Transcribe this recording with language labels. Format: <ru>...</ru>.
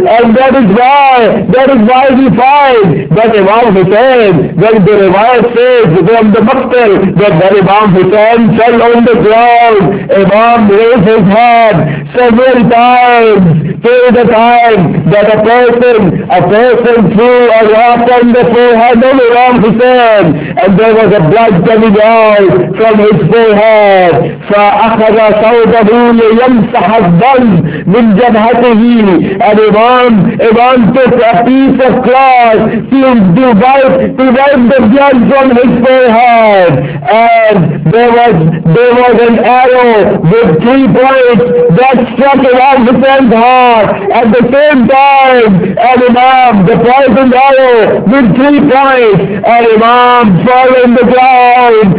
<en>And that is why we find that Imam Hussain, when the revival says from the Maqtal that when Imam Hussain fell on the ground, Imam raised his head several times till the time that a person threw a rock on the forehead of Imam Hussain, and there was a blood coming out from his forehead.</en> <ar>فَأَخَذَ صَوْتَهُ لِيَمْسَحَ الدَّمَ مِنْ جَبْهَتِهِ.</ar> <en>And Imam took a piece of cloth to wipe the blood from his forehead. And there was an arrow with three points that struck Elisha's heart. At the same time, Elimam, the poisoned arrow with three points, Elimam fell in the ground.</en>